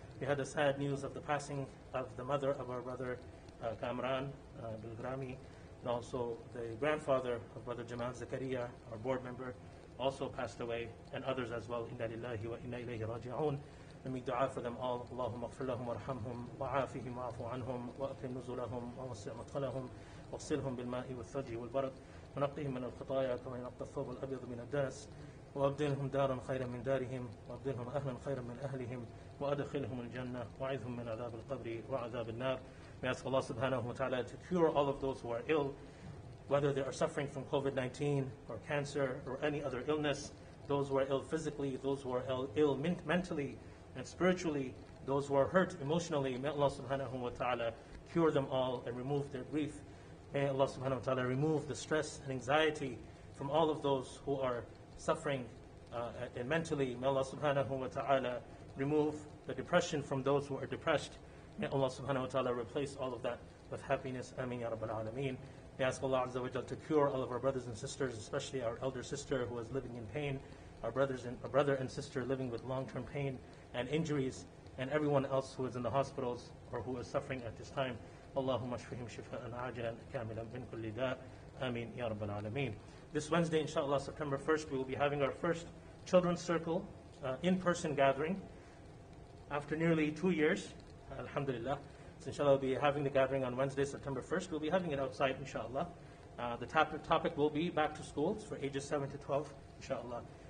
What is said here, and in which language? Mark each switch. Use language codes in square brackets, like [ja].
[en] We had the sad news of the passing of the mother of our brother Kamran Bilgrami, and also the grandfather of brother Jamal Zakaria, our board member, also passed away, and others as well. [ar] Inna lillahi wa inna ilayhi raji'un. [en] And make dua for them all. [ar] Allahumma aghfir lahum warhamhum wa'afihim wa'afu anhum wa'aqim nuzulahum wa'wasi' madkhalahum واغسلهم بالماء والثلج والبرد ونقهم من الخطايا كما ينقى الثوب الابيض من الدنس وابدلهم دارا خيرا من دارهم وابدلهم اهلا خيرا من اهلهم وادخلهم الجنه واعذهم من عذاب القبر وعذاب النار. [en] May I ask Allah subhanahu wa ta'ala to cure all of those who are ill, whether they are suffering from COVID-19 or cancer or any other illness, those who are ill physically, those who are ill mentally and spiritually, those who are hurt emotionally. May Allah subhanahu wa ta'ala cure them all and remove their grief. May Allah subhanahu wa ta'ala remove the stress and anxiety from all of those who are suffering and mentally. May Allah subhanahu wa ta'ala remove the depression from those who are depressed. May Allah subhanahu wa ta'ala replace all of that with happiness. Ameen ya rabbal alameen. We ask Allah azza wa jal to cure all of our brothers and sisters, especially our elder sister who is living in pain, our brother and sister living with long-term pain and injuries, and everyone else who is in the hospitals or who is suffering at this time. [ar] اللهم اشفهم شفاء عاجلا كاملا من كل داء امين يا رب العالمين. [en] This Wednesday, inshallah, September 1st, we will be having our first children's circle in-person gathering after nearly 2 years. Alhamdulillah. So inshallah, we'll be having the gathering on Wednesday, September 1st. We'll be having it outside, inshallah. The topic will be back to school. It's for ages 7 to 12, inshallah.